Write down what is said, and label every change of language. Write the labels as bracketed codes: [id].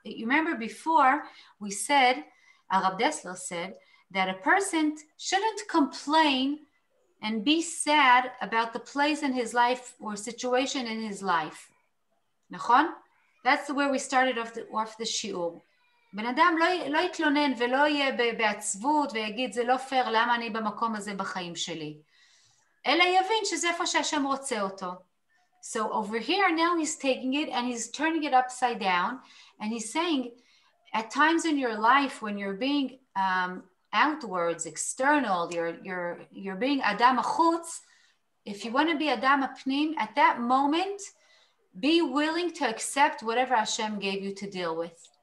[en] You remember before we said, הרב דסלר said, that a person shouldn't complain and be sad about the place in his life or situation in his life. נכון? That's where we started off the שיעור. [he] בן אדם לא יתלונן ולא יהיה בעצבות ויגיד, זה לא פייר, למה אני במקום הזה בחיים שלי? אלא יבין שזה איפה שהשם רוצה אותו. [en] So over here now he's taking it and he's turning it upside down and he's saying, at times in your life when you're being outwards, external, you're being Adam Achutz, if you want to be Adam Apnim, at that moment, be willing to accept whatever Hashem gave you to deal with.